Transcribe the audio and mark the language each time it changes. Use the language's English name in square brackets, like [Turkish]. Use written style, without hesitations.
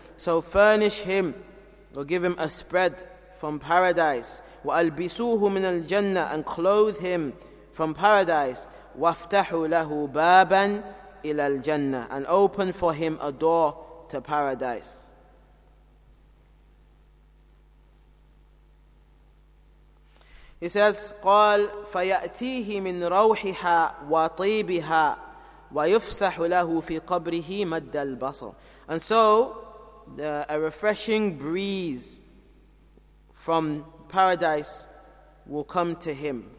[English] So furnish him, or give him a spread from paradise. [Arabic] وَأَلْبِسُوهُ مِنَ الْجَنَّةِ, [English] and clothe him from paradise. [Arabic] وَافْتَحُوا لَهُ بَابًا إِلَى الْجَنَّةِ, [English] and open for him a door to paradise. He says, [Arabic] قَالْ فَيَأْتِيهِ مِنْ رَوْحِهَا وَطِيبِهَا وَيُفْسَحُ لَهُ فِي قَبْرِهِ مَدَّ الْبَصَرِ. [English] And so, a refreshing breeze from paradise will come to him.